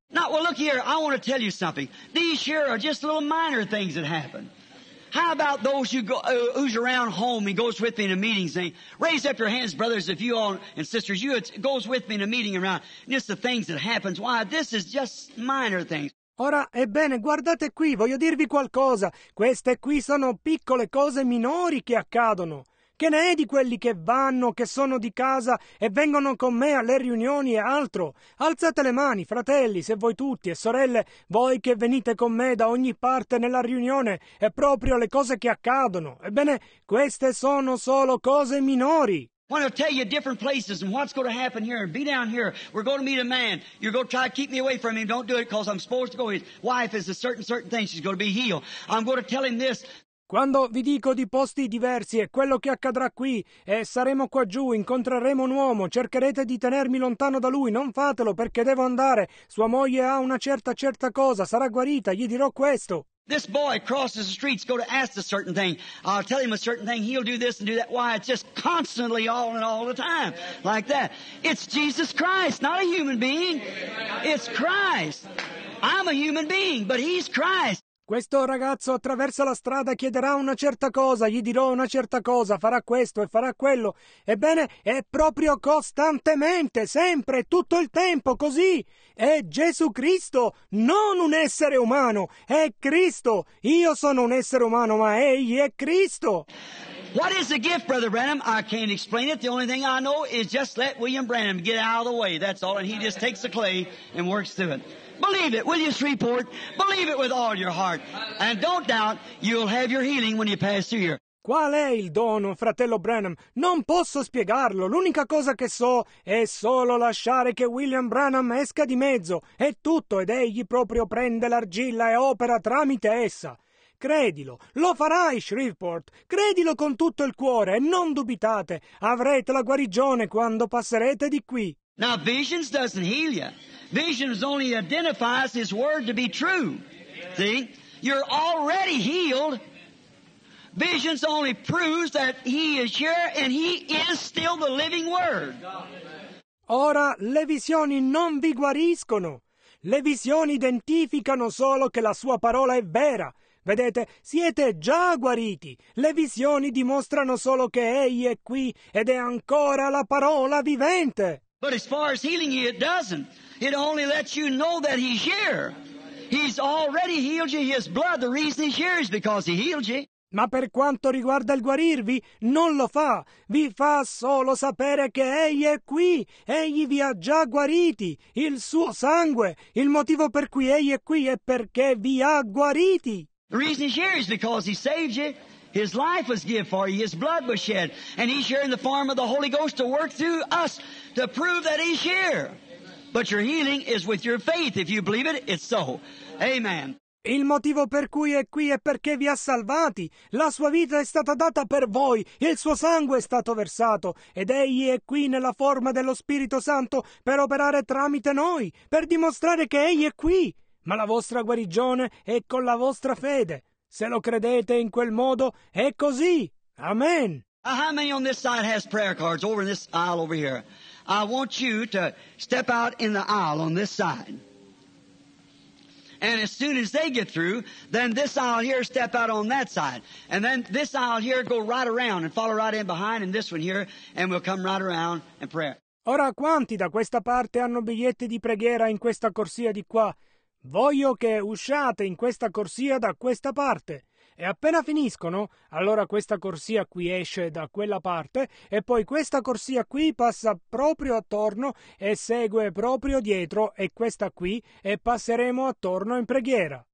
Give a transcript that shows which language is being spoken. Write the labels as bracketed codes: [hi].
[en] Now, well, look here. I want to tell you something. These here are just little minor things that happen. How about those who's around home and goes with me in a meeting saying, raise up your hands, brothers, if you all, and sisters, you, it goes with me in a meeting around, just the things that happens. Why, this is just minor things. [it] Ora, ebbene, guardate qui, voglio dirvi qualcosa. Queste qui sono piccole cose minori che accadono. Che ne è di quelli che vanno, che sono di casa e vengono con me alle riunioni e altro? Alzate le mani, fratelli, se voi tutti e sorelle, voi che venite con me da ogni parte nella riunione, è proprio le cose che accadono. Ebbene, queste sono solo cose minori. Quando [en] tell you different places and what's going to happen here, be down here, we're going to meet a man, you're going to try to keep me away from him, don't do it because I'm supposed to go, his wife is a certain thing, she's going to be healed. I'm going to tell him this. [it] Quando vi dico di posti diversi e quello che accadrà qui, e saremo qua giù, incontreremo un uomo, cercherete di tenermi lontano da lui, non fatelo perché devo andare, sua moglie ha una certa cosa, sarà guarita, gli dirò questo. [en] This boy crosses the streets, go to ask a certain thing, I'll tell him a certain thing, he'll do this and do that, why it's just constantly all and all the time, like that. It's Jesus Christ, not a human being, it's Christ. I'm a human being, but he's Christ. [it] Questo ragazzo attraversa la strada e chiederà una certa cosa, gli dirò una certa cosa, farà questo e farà quello. Ebbene, è proprio costantemente, sempre, tutto il tempo, così. È Gesù Cristo, non un essere umano, è Cristo. Io sono un essere umano, ma Egli è Cristo. [en] What is the gift, Brother Branham? I can't explain it. The only thing I know is just let William Branham get out of the way. That's all. And he just takes the clay and works through it. Believe it, William Shreveport. Believe it with all your heart. And don't doubt, you'll have your healing when you pass through here. [it] Qual è il dono, fratello Branham? Non posso spiegarlo. L'unica cosa che so è solo lasciare che William Branham esca di mezzo. È tutto, ed egli proprio prende l'argilla e opera tramite essa. Credilo, lo farai, Shreveport. Credilo con tutto il cuore e non dubitate. Avrete la guarigione quando passerete di qui. [en] Now, visions doesn't heal you. Visions only identifies His word to be true. See? You're already healed. Visions only proves that he is here and he is still the living word. [it] Ora le visioni non vi guariscono. Le visioni identificano solo che la sua parola è vera. Vedete, siete già guariti. Le visioni dimostrano solo che egli è qui ed è ancora la parola vivente. [en] But as far as healing you, it doesn't. It only lets you know that he's here. He's already healed you. His blood, the reason he's here is because he healed you. [it] Ma per quanto riguarda il guarirvi, non lo fa. Vi fa solo sapere che egli è qui. Egli vi ha già guariti. Il suo sangue, il motivo per cui egli è qui è perché vi ha guariti. [en] The reason he's here is because he saved you. His life was given for you. His blood was shed. And he's here in the form of the Holy Ghost to work through us to prove that he's here. But your healing is with your faith. If you believe it, it's so. Amen. [it] Il motivo per cui è qui è perché vi ha salvati. La sua vita è stata data per voi. Il suo sangue è stato versato. Ed egli è qui nella forma dello Spirito Santo per operare tramite noi, per dimostrare che egli è qui. Ma la vostra guarigione è con la vostra fede. Se lo credete in quel modo, è così. Amen. [en] How many on this side has prayer cards over in this aisle over here? I want you to step out in the aisle on this side. And as soon as they get through, then this aisle here step out on that side. And then this aisle here go right around and follow right in behind and this one here and we'll come right around and pray. [it] Ora quanti da questa parte hanno biglietti di preghiera in questa corsia di qua? Voglio che usciate in questa corsia da questa parte. E appena finiscono, allora questa corsia qui esce da quella parte e poi questa corsia qui passa proprio attorno e segue proprio dietro e questa qui e passeremo attorno in preghiera.